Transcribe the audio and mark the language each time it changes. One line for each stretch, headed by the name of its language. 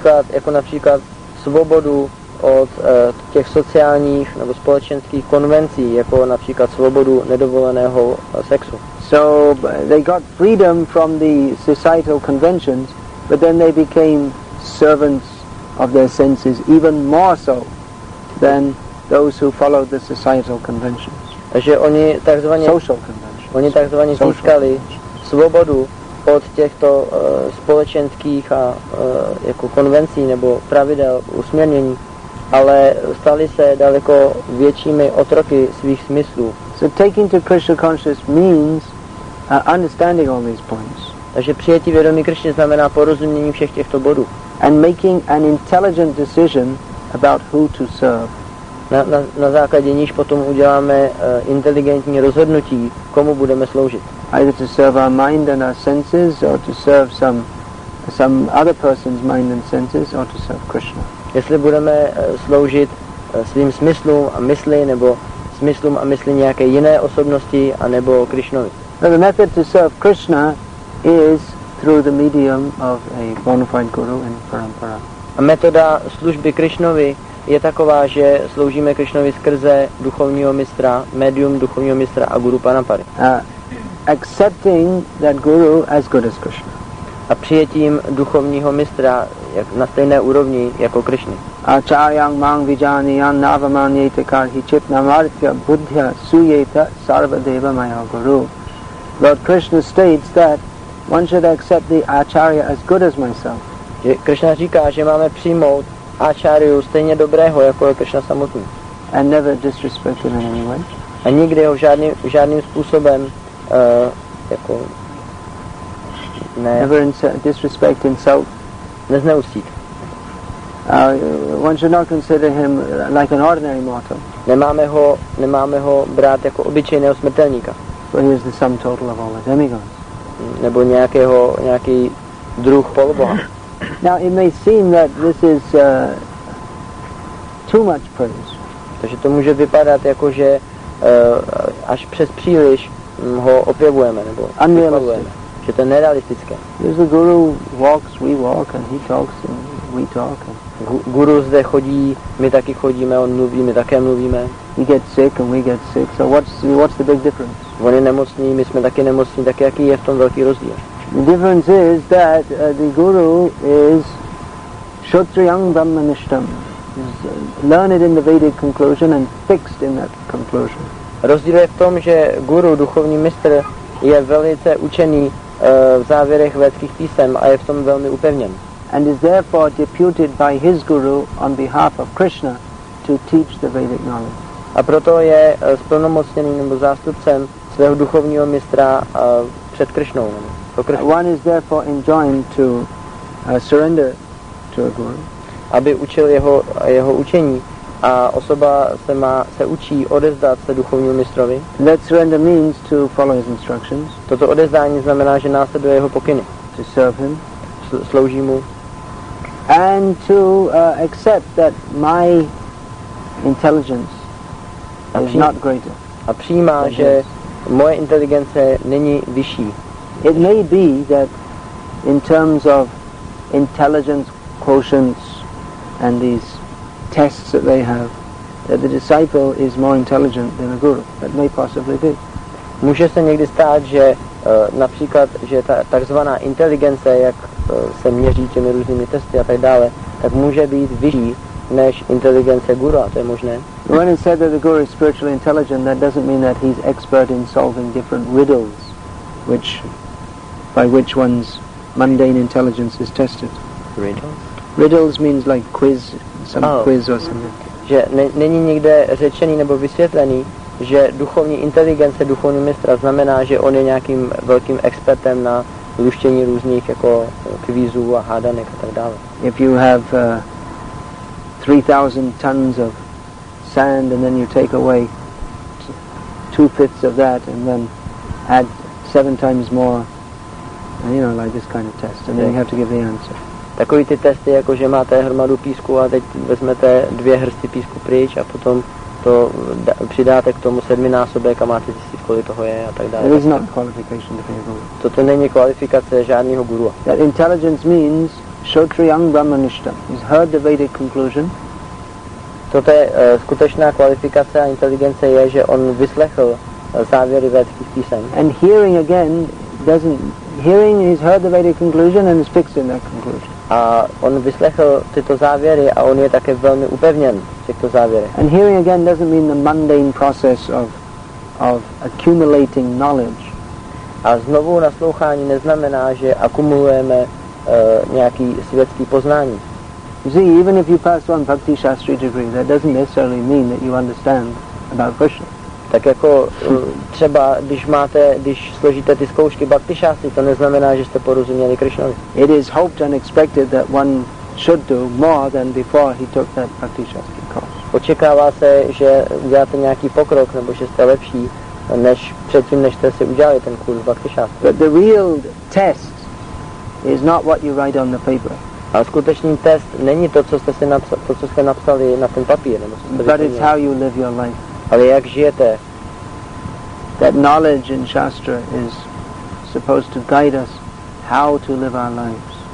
Czech: Jako například svobodu od těch sociálních nebo společenských konvencí, jako například svobodu nedovoleného sexu.
English: So they got freedom from the societal conventions, but then they became servants of their senses even more so than those who followed the societal conventions.
Czech: Takže oni takzvaně
English: social conventions.
Czech: Oni takzvaně získali svobodu od těchto společenských a jako konvencí nebo pravidel usměrnění, ale stali se daleko většími otroky svých smyslů.
English: So taking to Krishna consciousness means understanding all these points.
Czech: Takže přijetí vědomí Krishny znamená porozumění všech těchto bodů.
English: And making an intelligent decision about who to serve.
Czech: Na základě níž potom uděláme inteligentní rozhodnutí, komu budeme sloužit.
English: Either to serve our mind and our senses, or to serve some other person's mind and senses, or to serve Krishna.
Czech: Jestli budeme sloužit svým smyslům a mysli, nebo smyslům a mysli nějaké jiné osobnosti, anebo Krishnovi.
English: Now the method to serve Krishna is through the medium of a bona fide guru in parampara.
Czech: A metoda služby Krishnovi je taková, že sloužíme Krishnovi skrze duchovního mistra, medium duchovního mistra a guru parampary.
English: Accepting that guru as good as Krishna.
Czech: a přijetím duchovního mistra jak na stejné úrovni jako Krišny.
Sanskrit: Acharyang mang vijani yan navamanyete kalhi chit namartya buddhya suyeta sarvadeva maya guru.
English: Lord Krishna states that one should accept the acharya as good as myself.
Czech: Krishna říká, že máme přijmout acharyu stejně dobrého jako je Krishna samotný.
English: And never disrespect him in any way.
Czech: A nikdy ho žádným způsobem jako ne.
English: Never disrespect, insult.
Czech: Nezneustít.
English: One should not consider him like an ordinary mortal.
Czech: Nemáme ho brát jako obyčejného smrtelníka.
English: For he is the sum total of all the demigods.
Czech: Nebo nějaký druh poloboha.
English: Now it may seem that this is too much praise.
Czech: Takže to může vypadat jako, že až přes příliš ho opěvujeme nebo vypavujeme, že to je nerealistické.
English: There's a guru walks, we walk, and he talks, and we talk. And
Czech: guru zde chodí, my taky chodíme, on mluví, my také mluvíme.
English: He gets sick, and we get sick, so what's the big difference?
Czech: On je nemocný, my jsme taky nemocní, tak jaký je v tom velký rozdíl?
English: The difference is that the guru is
Sanskrit: Kshatriyang Brahmanishtam.
English: Is learned in the Vedic conclusion and fixed in that conclusion.
Czech: Rozdíl je v tom, že guru, duchovní mistr, je velice učený v závěrech vedských písem a je v tom velmi upevněn.
English: And is therefore deputed by his guru on behalf of Krishna to teach the Vedic knowledge.
Czech: A proto je splnomocněný nebo zástupcem svého duchovního mistra před Krishnou.
English: One is therefore enjoined to surrender to a guru.
Czech: Aby učil jeho učení, a osoba se učí odevzdat se duchovnímu mistrovi.
English: That surrender means to follow his instructions.
Czech: Toto odevzdání znamená, že následuje jeho pokyny.
English: To serve him.
Czech: Slouží mu.
English: And to accept that my intelligence is not greater.
Czech: A přijímá, že moje inteligence není vyšší.
English: It may be that in terms of intelligence quotients and these tests that they have, that the disciple is more intelligent than a guru. That may possibly be.
Czech: Může se někdy stát, že například, že ta takzvaná inteligence, jak se měří těmi různými testy a tak dále, tak může být vyšší než inteligence guru, to je možné.
English: When it's said that the guru is spiritually intelligent, that doesn't mean that he's expert in solving different riddles by which one's mundane intelligence is tested. Riddles means like quiz, quiz or something.
Czech: Že není nikde řečený nebo vysvětlený, že duchovní inteligence duchovního mistra znamená, že on je nějakým velkým expertem na luštění různých jako kvízů a hádanek a tak dále.
English: If you have 3,000 tons of sand and then you take away 2/5 of that and then add 7 times more, you know, like this kind of test, and then you have to give the answer.
Czech: Takový ty testy, jako že máte hromadu písku a teď vezmete 2 hrsty písku pryč a potom to přidáte k tomu 7násobek a máte zjistit, kolik toho je a tak dále.
English: It is not qualification to be a guru.
Czech: Toto není kvalifikace žádného guru.
English: That intelligence means
Sanskrit: Kshatriyang Brahmanishtam.
English: He's heard the Vedic conclusion.
Czech: Toto je skutečná kvalifikace a inteligence je, že on vyslechl závěry vedských písem.
English: And hearing again doesn't. Hearing, he's heard the Vedic conclusion and is fixed in that conclusion.
Czech: A on vyslechl tyto závěry a on je také velmi upevněn v těchto závěrech.
English: And hearing again doesn't mean the mundane process of accumulating knowledge.
Czech: A znovu naslouchání neznamená, že akumulujeme nějaký světský poznání.
English: You see, even if you pass one Bhakti Shastri degree, that doesn't necessarily mean that you understand about Krishna.
Czech: Tak jako třeba, když složíte ty zkoušky Bhakti Shastri, to neznamená, že jste porozuměli Krishnovi.
English: It is hoped and expected that one should do more than before he took that Bhakti Shastri course.
Czech: Očekává se, že uděláte nějaký pokrok, nebo že jste lepší, než předtím, než jste si udělali ten kurz Bhakti Shastri.
English: But the real test is not what you write on the paper.
Czech: A skutečný test není to, co jste si napsali, co jste napsali na ten papír. Nebo
English: but it's how you live your life.
Czech: Ale jak žijete?
English: That knowledge in Shastra is supposed to guide us how to live our lives.